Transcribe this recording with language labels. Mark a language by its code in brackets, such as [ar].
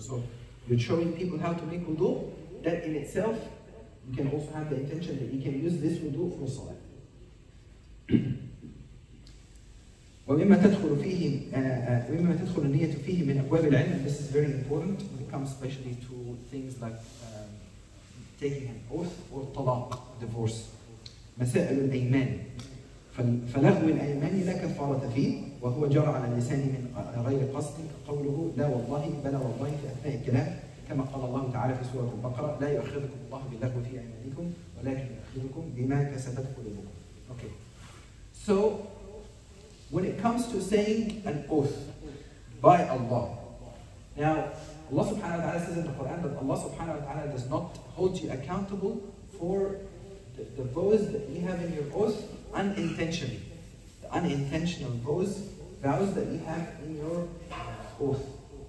[en] So you're showing people how to make wudu, that in itself, you can also have the intention that you can use this wudu for salah. [ar] وَمِمَّا تَدْخُلُ فِيهِ وَمِمَّا تَدْخُلُ النِّيَّةُ فِيهِ مِنْ أَبْوَابِ الْعِلْمِ. [en] This is very important when it comes especially to things like taking an oath or طلاق, divorce. [ar] مَسَأَلُ الْأَيْمَانِ فَلَغْوِ الْأَيْمَانِ لَا كَفَّارَةَ فِيهِ وَهُوَ جَرَى عَلَى اللِّسَانِ مِنْ غَيْرِ قَصْدٍ قَوْلُهُ لَا وَاللَّهِ بَلَى وَاللَّهِ فِي أَثْنَاءِ الْكِلَامِ كما قال الله تعالى في سورة البقرة لا يؤخذكم الله باللغو في أيمانكم ولكن يؤخذكم بما كسبت قلوبكم. [en] Okay. So when it comes to saying an oath by Allah, now Allah subhanahu wa ta'ala says in the Quran that Allah subhanahu wa ta'ala does not hold you accountable for the vows that you have in your oath unintentionally, the unintentional vows that you have in your oath.